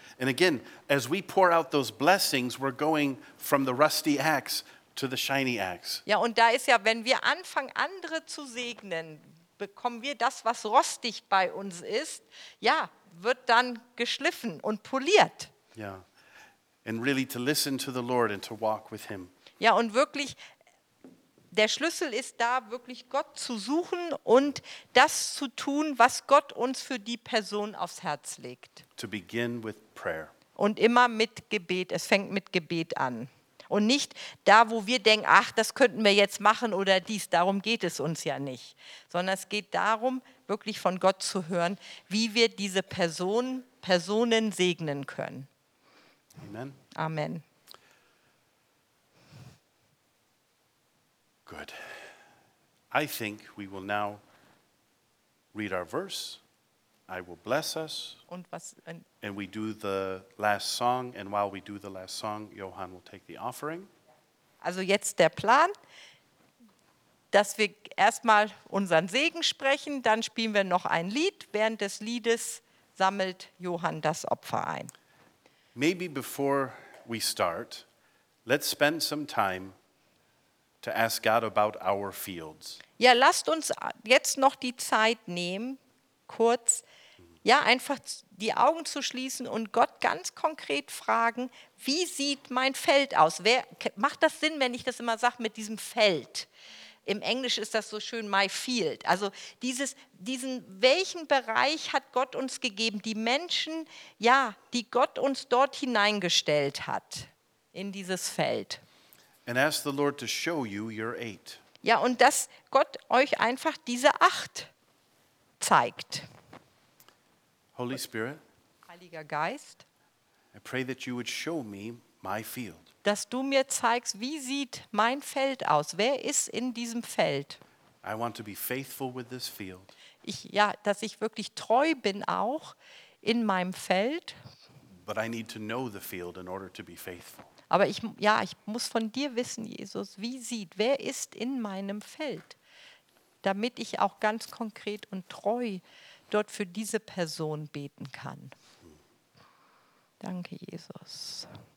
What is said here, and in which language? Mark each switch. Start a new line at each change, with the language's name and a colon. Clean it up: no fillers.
English: And again, as we pour out those blessings, we're going from the rusty axe to the shiny axe.
German: Ja, und da ist ja, wenn wir anfangen, andere zu segnen, bekommen wir das, was rostig bei uns ist, ja, wird dann geschliffen und poliert.
English: Ja, and really to listen to the Lord and to walk with him.
German: Ja, und wirklich, der Schlüssel ist da, wirklich Gott zu suchen und das zu tun, was Gott uns für die Person aufs Herz legt.
English: To begin with prayer.
German: Und immer mit Gebet, es fängt mit Gebet an. Und nicht da, wo wir denken, ach, das könnten wir jetzt machen oder dies, darum geht es uns ja nicht. Sondern es geht darum, wirklich von Gott zu hören, wie wir diese Personen segnen können. Amen. Amen.
English: Good. I think we will now read our verse. I will bless us.
German: Und was,
English: and we do the last song. And while we do the last song, Johann will take the offering.
German: Also jetzt der Plan, dass wir erstmal unseren Segen sprechen, dann spielen wir noch ein Lied. Während des Liedes sammelt Johann das Opfer ein.
English: Maybe before we start, let's spend some time to ask God about our fields.
German: Ja, lasst uns jetzt noch die Zeit nehmen, kurz, ja, einfach die Augen zu schließen und Gott ganz konkret fragen, wie sieht mein Feld aus? Macht das Sinn, wenn ich das immer sage mit diesem Feld? Im Englisch ist das so schön,
English: my field.
German: Also welchen Bereich hat Gott uns gegeben? Die Menschen, ja, die Gott uns dort hineingestellt hat, in dieses Feld.
English: And ask the Lord to show you your 8.
German: Ja, und dass Gott euch einfach diese 8 zeigt.
English: Holy Spirit,
German: Heiliger Geist,
English: I pray that you would show me my field.
German: Dass du mir zeigst, wie sieht mein Feld aus? Wer ist in diesem Feld?
English: I want to be faithful with this field.
German: Dass ich wirklich treu bin auch in meinem Feld.
English: But I need to know the field in order to be faithful.
German: Aber ich muss von dir wissen, Jesus, wer ist in meinem Feld? Damit ich auch ganz konkret und treu dort für diese Person beten kann. Danke, Jesus.